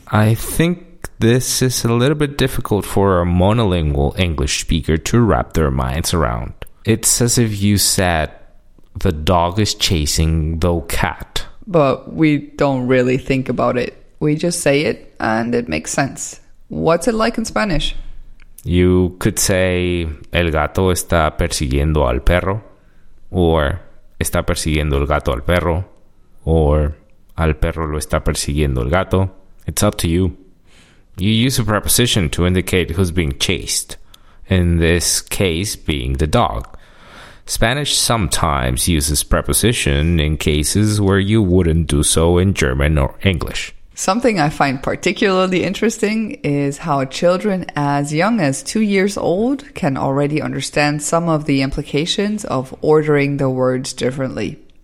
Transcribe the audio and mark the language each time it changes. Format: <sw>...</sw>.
<en>I think this is a little bit difficult for a monolingual English speaker to wrap their minds around. It's as if you said, the dog is chasing the cat. But we don't really think about it. We just say it, and it makes sense. What's it like in Spanish? You could say,</en> <es>el gato está persiguiendo al perro. Or, está persiguiendo el gato al perro. Or, al perro lo está persiguiendo el gato.</es> <en>It's up to you. You use a preposition to indicate who's being chased. In this case, being the dog. Spanish sometimes uses preposition in cases where you wouldn't do so in German or English. Something I find particularly interesting is how children as young as 2 years old can already understand some of the implications of ordering the words differently.</en>